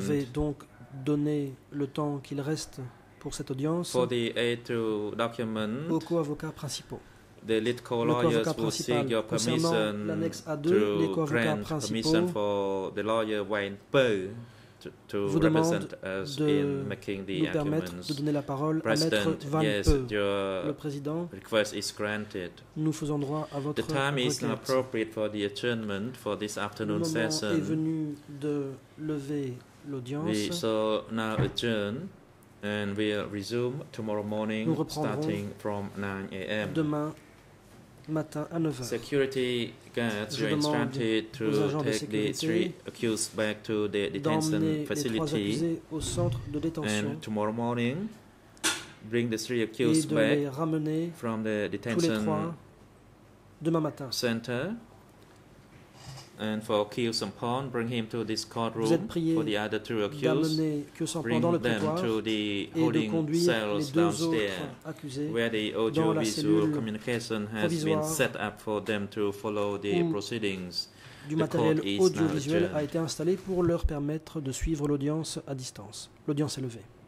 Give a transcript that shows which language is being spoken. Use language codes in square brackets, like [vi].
[fr] Je vais donc donner le temps qu'il reste pour cette audience [en] for the A to document [fr] aux co-avocats principaux. [en] The lead co-lawyers will seek your permission A2, to grant permission for the lawyer Wayne Poe [fr] vous demande de nous permettre de donner la parole à Maître Van Peu, le Président. [en] Request is granted. [fr] Nous faisons droit à votre requête. [en] The time is not appropriate for the adjournment for this afternoon session. [fr] Le moment est venu de lever l'audience. [en] We shall now adjourn and we'll resume tomorrow morning starting from 9 a.m. [fr] demain matin à 9h. [en] Security guards are instructed to take the three accused back to the detention facility. [fr] Au centre de détention. [en] And tomorrow morning, bring the three accused back from the detention [fr] demain matin. [en] Center. And for Kyu Sampon, bring him to this courtroom. [fr] Vous êtes prié [en] for the other two accused. Bring them to the holding cells downstairs, where the audiovisual communication has been set up for them to follow the proceedings. [fr] Du matériel audiovisuel a été installé pour leur permettre de suivre l'audience à distance. L'audience est levée.